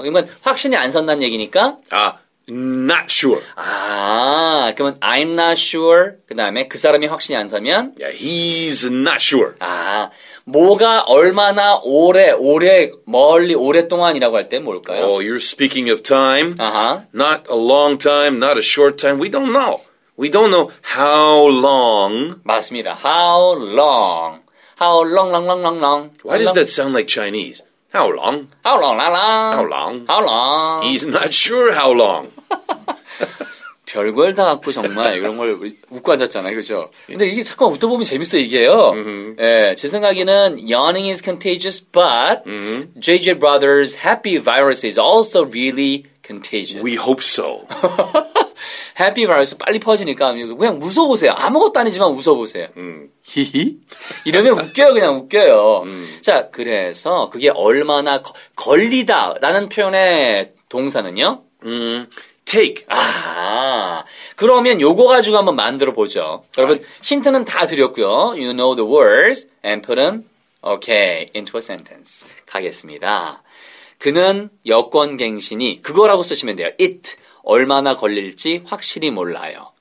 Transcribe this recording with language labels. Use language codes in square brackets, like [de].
[ko] 그러면 확신이 안 선다는 얘기니까. [en] 아, not sure. [ko] 아, 그러면 [en] I'm not sure. [ko] 그 다음에 그 사람이 확신이 안 서면. [en] Yeah, he's not sure. [ko] 아, 뭐가 얼마나 오래, 멀리, 오랫동안이라고 할 때 뭘까요? [en] Oh, you're speaking of time. Uh-huh. Not a long time, not a short time. We don't know. We don't know how long. [ko] 맞습니다. [en] How long. How long, long, long, long, long. Why does that sound like Chinese? How long? How long, long, long. How long? How long? He's not sure how long. [ko] 별걸 다 갖고 정말 이런 걸 웃고 앉았잖아요. 그죠? 근데 이게 잠깐 웃다 보면 재밌어요, 이게요. 예, 제 생각에는 [en] yawning is contagious, but JJ Brothers' happy virus is also really contagious. We hope so. Happy virus [ko] 빨리 퍼지니까 그냥 웃어보세요. 아무것도 아니지만 웃어보세요. 히히? 이러면 웃겨요. 그냥 웃겨요. 자, 그래서 그게 얼마나 걸리다라는 표현의 동사는요? [en] Take. [ko] 아, 그러면 요거 가지고 한번 만들어보죠. 여러분, right. 힌트는 다 드렸고요. [en] You know the words and put them okay, into a sentence. [ko] 가겠습니다. 그는 여권갱신이 그거라고 쓰시면 돼요. It 얼마나 걸릴지 확실히 몰라요.